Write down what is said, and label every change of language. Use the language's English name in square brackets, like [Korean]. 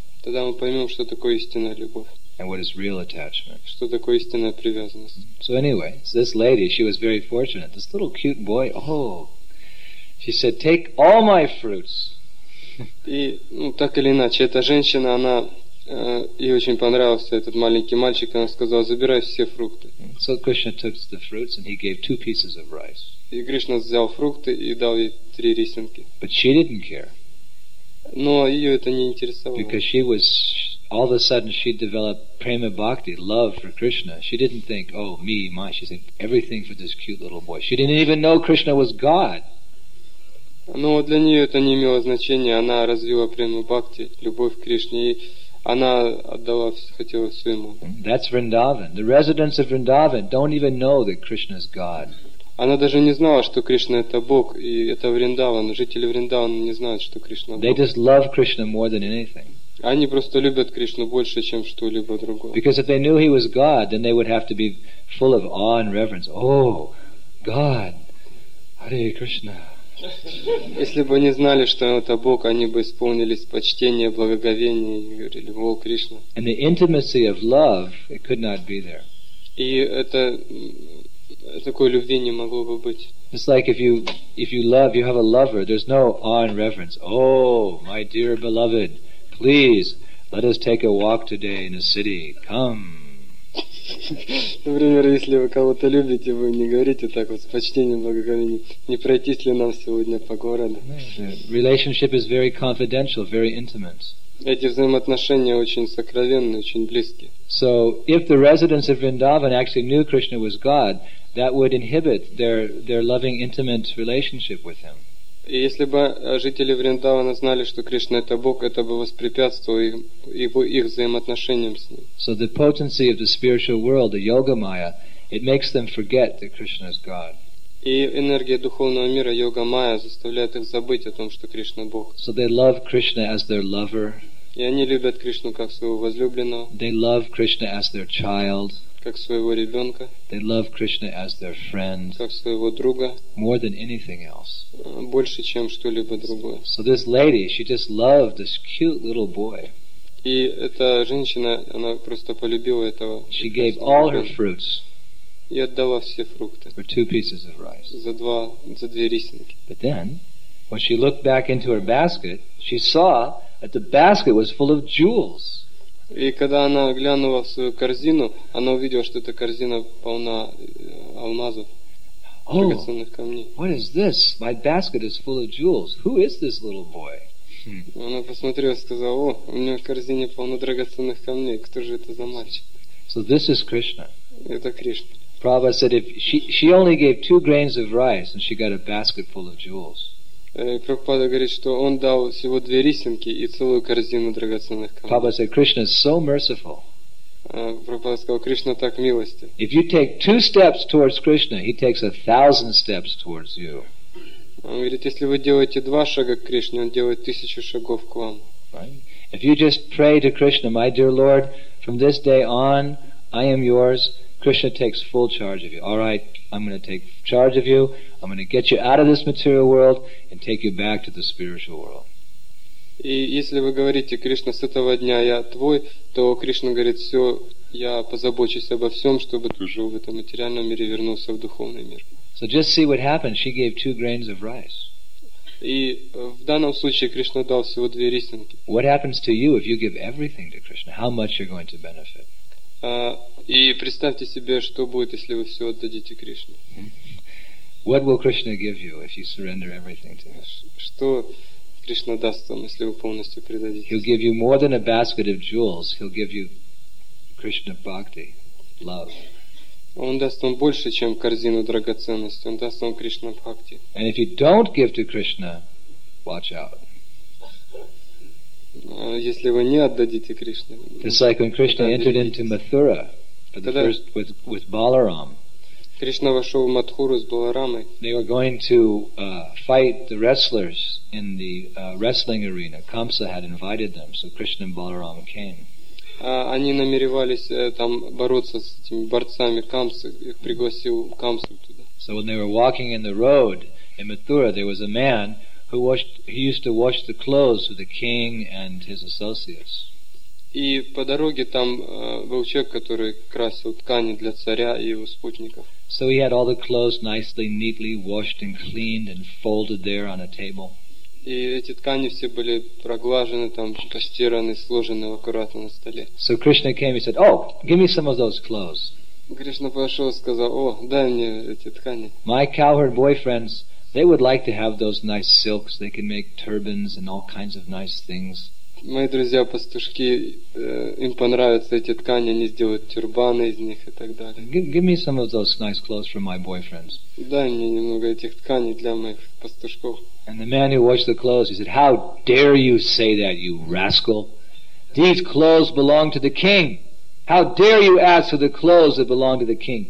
[Russian] Тогда мы поймем, что такое истинная любовь. [English] And what is real attachment. [Russian] Что такое истинная привязанность. [English] So anyway, this lady, she was very fortunate. This little cute boy, oh. She said, take all my fruits. [Russian] И, ну, так или иначе, эта женщина, она, ей очень понравился этот маленький мальчик, она сказала, забирай все фрукты. [English] So Krishna took the fruits and he gave two pieces of rice. [Russian] И Кришна взял фрукты и дал ей три рисинки. [English] But she didn't care. [Russian] Но ее это не интересовало. [English] Because she was, all of a sudden she developed prema bhakti, love for Krishna. She didn't think, oh, me, my. She said, everything for this cute little boy. She didn't even know Krishna was God. [Russian] Но для нее это не имело значения. Она развила prema bhakti, любовь к Кришне. И она отдала, хотела все ему. [English] That's Vrindavan. The residents of Vrindavan don't even know that Krishna is God. [Russian] Она даже не знала, что Кришна — это Бог, и это Вриндаван. Жители Вриндавана не знают, что Кришна — Бог. [English] They just love Krishna more than anything. [Russian] Они просто любят Кришну больше, чем что-либо другое. [English] Because if they knew He was God, then they would have to be full of awe and reverence. Oh, God! Hare Krishna! [Russian] Если бы они знали, что это Бог, они бы исполнились почтения, благоговения и говорили, о, Кришна. [English] And the intimacy of love, it could not be there. [Russian] И это... Такой любви не могло бы быть. [English] It's like if you love, you have a lover, there's no awe and reverence. Oh, my dear beloved, please, let us take a walk today in the city. Come. [Russian] Например, если вы кого-то любите, вы не говорите так вот с почтением, благоговением, не пройтись ли нам сегодня по городу. [English] Relationship is very confidential, very intimate. [Russian] Эти взаимоотношения очень сокровенные, очень близкие. [English] So, if the residents of Vrindavan actually knew Krishna was God, that would inhibit their loving, intimate relationship with Him. [Russian] И если бы жители Вриндавана знали, что Кришна — это Бог, это бы воспрепятствовало их взаимоотношениям с Ним. [English] So, the potency of the spiritual world, the yoga maya, it makes them forget that Krishna is God. [Russian] И энергия духовного мира, йога майя, заставляет их забыть о том, что Кришна — Бог. [English] So, they love Krishna as their lover. [Russian] И они любят Кришну как своего возлюбленного. [English] They love Krishna as their child. [Russian] Как своего ребенка. [English] They love Krishna as their friend. [Russian] Как своего друга. [English] More than anything else. [Russian] Больше, чем что-либо другое. [English] So this lady, she just loved this cute little boy. [Russian] И эта женщина, она просто полюбила этого. [English] She gave all her fruits. [Russian] И отдала все фрукты. [English] For two pieces of rice. [Russian] За две рисинки. [English] But then, when she looked back into her basket, she saw that the basket was full of jewels. [Russian] И когда она глянула в свою корзину, она увидела, что эта корзина полна алмазов, драгоценных камней. [English] Oh, what is this? My basket is full of jewels. Who is this little boy? [Russian] Она посмотрела и сказала, о, у меня в корзине полно драгоценных камней. Кто же это за мальчик? [English] So this is Krishna. [Russian] Это Кришна. [English] Prabhupada said, if she only gave two grains of rice and she got a basket full of jewels. [Russian] Прабхупада говорит, что он дал всего две рисинки и целую корзину драгоценных камней. [English] Prabhupada said, Krishna is so merciful. [Russian] Прабхупада сказал, Кришна так милостив. [English] If you take two steps towards Krishna, he takes a thousand steps towards you. [Russian] Он говорит, если вы делаете два шага к Кришне, он делает тысячу шагов к вам. [English] Right? If you just pray to Krishna, my dear Lord, from this day on, I am yours, Krishna takes full charge of you. All right, I'm going to take charge of you. I'm going to get you out of this material world and take you back to the spiritual world. [Russian] И если вы говорите, Кришна, с этого дня я твой, то Кришна говорит, все, я позабочусь обо всем, чтобы ты жил в этом материальном мире и вернулся в духовный мир. [English] So just see what happened. She gave two grains of rice. [Russian] И в данном случае Кришна дал всего две рисинки. [English] What happens to you if you give everything to Krishna? How much you're going to benefit? [Russian] И представьте себе, что будет, если вы все отдадите Кришне. [English] What will Krishna give you if you surrender everything to him? [Russian] Что Кришна даст вам, если вы полностью предадитесь? [English] He'll give you more than a basket of jewels. He'll give you Krishna bhakti, love. [Russian] Он даст вам больше, чем корзину драгоценностей. Он даст вам Кришна бхакти. [English] And if you don't give to Krishna, watch out. [Russian] Если вы не отдадите Кришне, [English] it's like when Krishna entered into Mathura for the first with Balaram. [Russian] Кришна вошел в Матхуру с Баларамой. [English] They were going to fight the wrestlers in the wrestling arena. Kamsa had invited them, so Krishna and Balaram came. [Russian] Они намеревались там бороться с этими борцами Камсы. Их пригласил Камсу туда. [English] So when they were walking in the road in Mathura, there was a man who washed, he used to wash the clothes of the king and his associates. [Russian] И по дороге там был человек, который красил ткани для царя и его спутников. [English] So he had all the clothes nicely, neatly washed and cleaned and folded there on a table. [Russian] И эти ткани все были проглажены, там постираны, сложены аккуратно на столе. [English] So Krishna came and said, "Oh, give me some of those clothes." [Russian] Кришна подошел и сказал, "О, дай мне эти ткани." [English] My cowherd boyfriends, they would like to have those nice silks. They can make turbans and all kinds of nice things. [Russian] Мои друзья пастушки, им понравятся эти ткани, они сделают тюрбаны из них и так далее. [English] Give me some of those nice clothes for my boyfriends. [Russian] Дай мне немного этих тканей для моих пастушков. [English] And the man who washed the clothes, he said, "How dare you say that, you rascal? These clothes belong to the king. How dare you ask for the clothes that belong to the king?